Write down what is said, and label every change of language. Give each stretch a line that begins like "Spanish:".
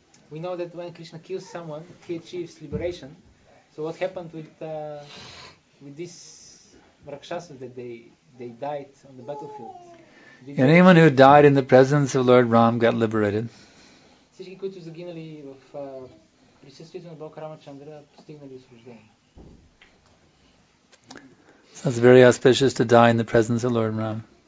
English: We know that when Krishna kills someone, he achieves liberation. So what happened with this Rakshasa that they died on the battlefield? Anyone who died in the presence of Lord Ram got liberated.
Bulgarian: Всички, които загинали в присъствието на Бог Рамачандра, постигнали освобождение.
English: So it's very auspicious to die in the presence of Lord Ram.